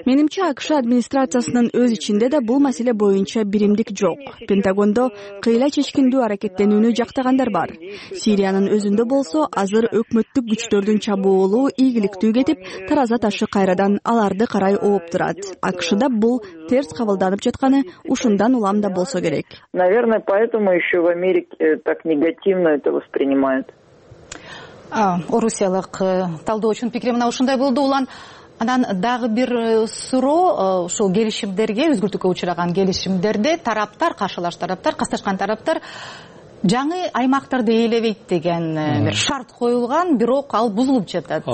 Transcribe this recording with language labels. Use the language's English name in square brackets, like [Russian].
[Kyrgyz] Менимче АКШ администрациясынын өз ичинде да бул маселе боюнча биримдик жок. Пентагондо кыйла чечкиндүү аракеттенүүнү жактагандар бар. Сириянын өзүндө болсо, азыр өкмөттүк күчтөрдүн чабуулу ийгиликтүү кетип, тараза ташы кайрадан аларды карай ооп турат. АКШда бул терс кабылданып жатканы ушундан улам да болсо керек. [Russian] Наверное, поэтому еще в Америке так негативно это воспринимают. [Kyrgyz] Орусиялык талдоочунун пикири мына ушундай болду. Улан, анан дагы бир суроо, ушул келишимдерге өзгөртүүгө учураган келишимдерде тараптар, каршылаш тараптар, касташкан тараптар жаңы аймактарды ээлебейт деген бир шарт коюлган, бирок ал бузулуп жатат.